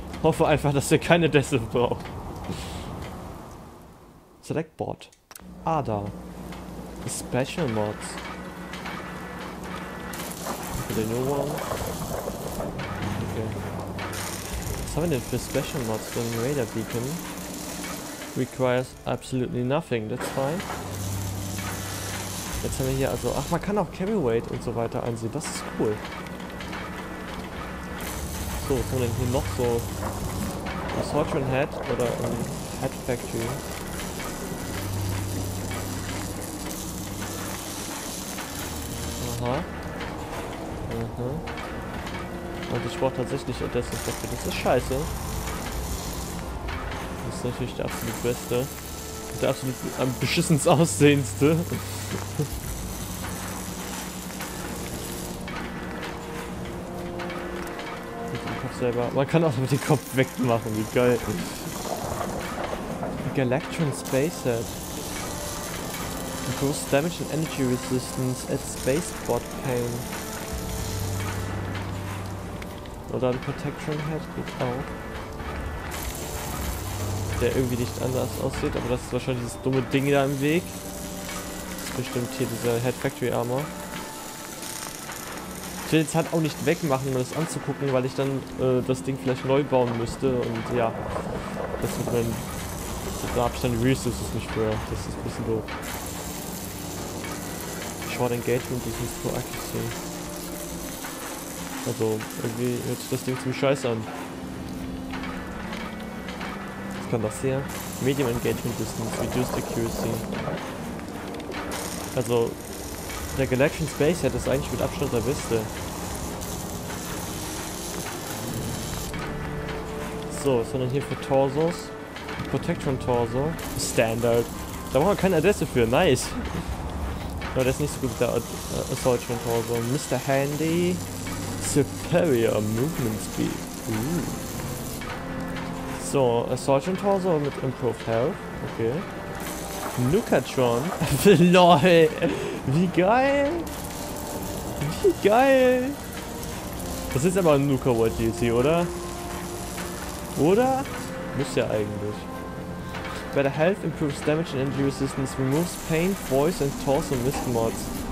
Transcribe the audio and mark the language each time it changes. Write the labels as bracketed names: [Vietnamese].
[German] Hoffe einfach, dass er keine Dessel braucht. Selectboard. Ah, da. Special Mods. [English] For the new one. Okay. [German] Was haben wir denn für Special Mods? Den Radar Beacon. [English] Requires absolutely nothing. That's fine. [German] Jetzt haben wir hier also. Ach, man kann auch Carry Weight und so weiter einsehen. Das ist cool. So, was haben wir denn hier noch so? Assortion Head oder ein Head Factory. Aha. Und ich brauche tatsächlich Odessus dafür. Das ist scheiße. Das ist natürlich der absolut beste. Der absolut am beschissens aussehendste. Selber. Man kann auch mit dem Kopf wegmachen, wie geil. Galactron Spaceset. [English] Increased Damage and Energy Resistance at Spaceport Pain. [German] Oder ein Protection Head geht auch. Der irgendwie nicht anders aussieht, aber das ist wahrscheinlich dieses dumme Ding da im Weg. Das ist bestimmt hier dieser Head Factory Armor. Ich will jetzt halt auch nicht wegmachen, um das anzugucken, weil ich dann das Ding vielleicht neu bauen müsste und ja, das wird mein, da hab ich dann die Resources nicht mehr, das ist ein bisschen doof. Short Engagement ist nicht so aggressiv. Also, irgendwie hört sich das Ding ziemlich scheiße an. Was kann das hier? [English] Medium Engagement Distance, Reduced Accuracy. [German] Also, der Galaction Space hat das eigentlich mit Abstand der beste. So, was haben wir hier für Torsos? Protection Torso. Standard. Da brauchen wir keine Adresse für. Nice. Aber der ist nicht so gut wie der Assaultion Torso. Mr. Handy. [English] Superior Movement Speed. [German] So, Assaultion Torso mit Improved Health. Okay. Nukatron. LOL. Wie geil! Wie geil! Das ist aber ein Nuka World DLC, oder? Oder? Muss ja eigentlich. [English] Better Health improves Damage and Energy Resistance, removes Pain, Voice and Torso Mist Mods.